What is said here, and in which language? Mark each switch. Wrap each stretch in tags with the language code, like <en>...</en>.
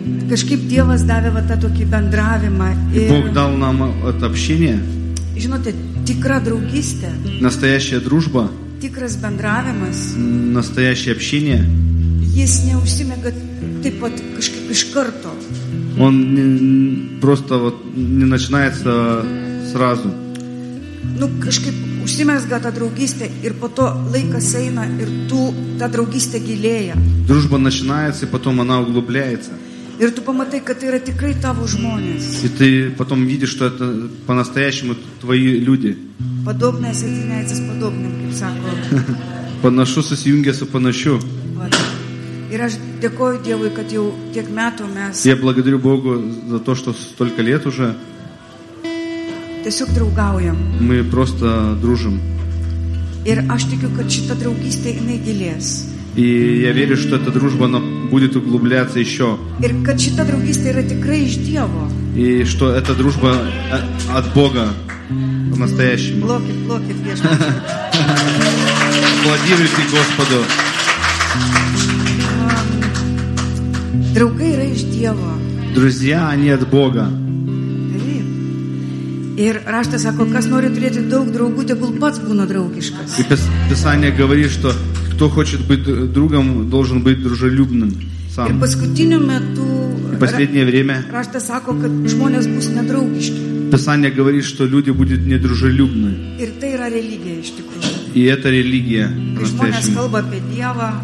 <lt>Kažkaip Dievas davė va tą tokį bendravimą.</lt> <ru>И Бог дал нам это общение.</ru> <lt>Žinote, tikra draugystė.</lt> <ru>Настоящая дружба.</ru> <lt>Tikras bendravimas.</lt> <ru>Настоящее общение.</ru> <lt>Jis neužsimega taip pat kažkaip iš karto.</lt> <ru>Он просто вот не начинается сразу.</ru> <lt>Ну, кашкаip užsimezga ta draugystė ir po to laikas eina ir tu ta draugystė gilėja.</lt> <ru>Дружба начинается, потом она углубляется.</ru> <lt>Ir tu pamatai, kad tai yra tikrai tavo žmonės.</lt> <ru>И ты потом видишь, что это по-настоящему твои люди. Подобное соединяется с подобным, как сако.</ru> <lt>Panašu susijungia su panašiu. Ir aš dėkoju Dievui, kad jau tiek metų mes...</lt> <ru>Я благодарю Богу за то, что столько лет уже...</ru> <lt>Tiesiog draugaujam.</lt> <ru>Мы просто дружим.</ru> <lt>Ir aš tikiu, kad šita draugystė, jinai gilės.</lt> <ru>И я верю, что эта дружба, она будет углубляться еще.</ru> <lt>Ir kad šita draugystė yra tikrai iš Dievo.</lt> <ru>И что эта дружба от Бога по-настоящему. Блокит, блокит, Господь. Аплодируйте Господу.</ru> <lt>Draugai yra iš Dievo.</lt> <ru>Друзья, они от Бога.</ru> <lt>Ir raštas sako, kas nori turėti daug draugų, tegul pats būna draugiškas.</lt> <ru>И Писание говорит, что кто хочет быть другом, должен быть дружелюбным сам.</ru> <lt>Ir paskutiniu metu Raštas sako, kad žmonės bus nedraugiški.</lt> <ru>Писание говорит, что люди будут недружелюбны.</ru> <lt>Ir tai yra religija iš tikrųjų.</lt> <ru>И это религия.</ru> <lt>Žmonės kalba apie Dievą.</lt>